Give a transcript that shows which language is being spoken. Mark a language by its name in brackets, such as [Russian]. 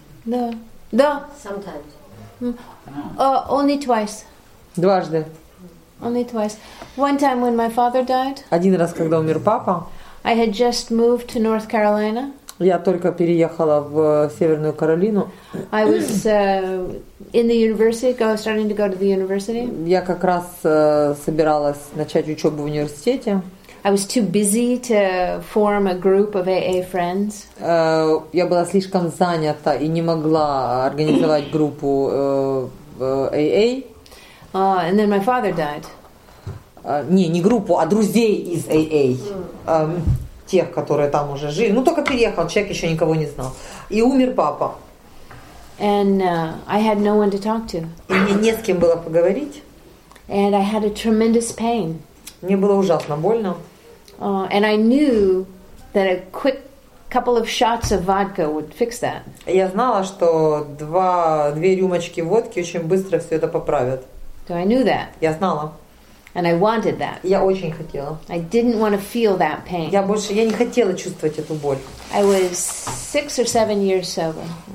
[Russian] Да. Да. [English] Sometimes. Only twice. [Russian] Дважды. [English] Only twice. One time when my father died. [Russian] Один раз, когда умер папа. [English] I had just moved to North Carolina. [Russian] Я только переехала в Северную Каролину. [English] I was in the university, starting to go to the university. [Russian] Я как раз собиралась начать учебу в университете. [English] I was too busy to form a group of AA friends. [Russian] Я была слишком занята и не могла организовать группу AA. [English] And then my father died. [Russian] Не группу, а друзей из AA. Тех, которые там уже жили. Ну, только переехал, человек еще никого не знал. И умер папа. [English] And I had no one to talk to. [Russian] И мне не с кем было поговорить. [English] And I had a tremendous pain. [Russian] Мне было ужасно больно. [English] And I knew that a quick couple of shots of vodka would fix that. [Russian] Я знала, что две рюмочки водки очень быстро все это поправят. [English] So I knew that. [Russian] Я знала. [English] And I wanted that. [Russian] Я очень хотела. [English] I didn't want to feel that pain. [Russian] Я не хотела чувствовать эту боль. [English] I was 6 or 7 years sober.